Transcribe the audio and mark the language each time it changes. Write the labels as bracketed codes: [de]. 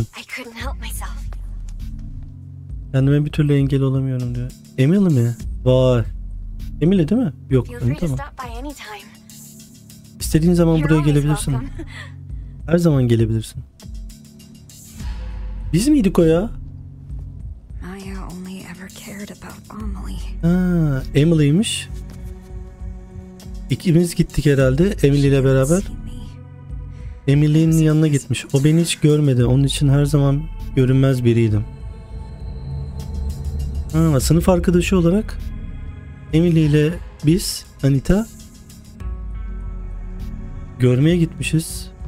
[en] I couldn't help myself. [tr] Kendime bir türlü engel olamıyorum diyor. Emily mi? Vay. Emily değil mi? Yok. Hani, tamam. İstediğin zaman [en] you're [tr] buraya gelebilirsin. [en] Welcome. [tr] Her zaman gelebilirsin. Biz miydik o ya? [en] Maya only ever cared about Emily. [tr] Ha, Emily'ymiş. İkimiz gittik herhalde. Emily ile beraber. Emily'nin yanına gitmiş. O beni hiç görmedi. Onun için her zaman görünmez biriydim. Ha, sınıf arkadaşı olarak Emily ile biz, Anita görmeye gitmişiz.